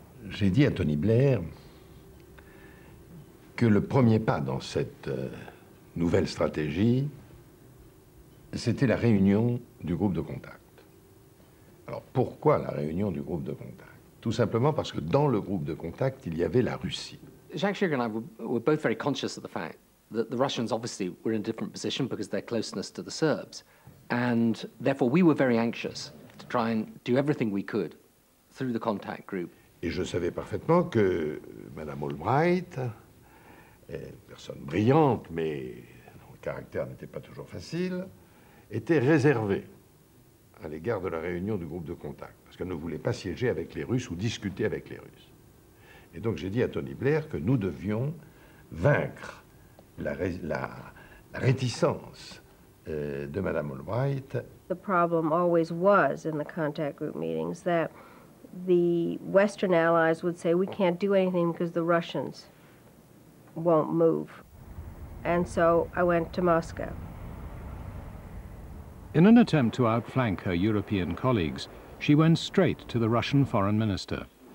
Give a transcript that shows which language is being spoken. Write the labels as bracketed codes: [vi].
[fr] J'ai dit à Tony Blair que le premier pas dans cette nouvelle stratégie, c'était la réunion du groupe de contact. Alors pourquoi la réunion du groupe de contact? Tout simplement parce que dans le groupe de contact, il y avait la Russie. [en] Jacques Chirac and I were both very conscious of the fact that the Russians obviously were in a different position because of their closeness to the Serbs. And therefore, we were very anxious to try and do everything we could through the contact group. [fr] Et je savais parfaitement que Madame Albright, personne brillante, mais son caractère n'était pas toujours facile, était réservée à l'égard de la réunion du groupe de contact. Qu'elle ne voulait pas siéger avec les Russes ou discuter avec les Russes. Et donc j'ai dit à Tony Blair que nous devions vaincre la réticence de Madame Albright. [en] The problem always was in the contact group meetings that the Western allies would say we can't do anything because the Russians won't move. And so I went to Moscow. In an attempt to outflank her European colleagues, she went straight to the Russian foreign minister.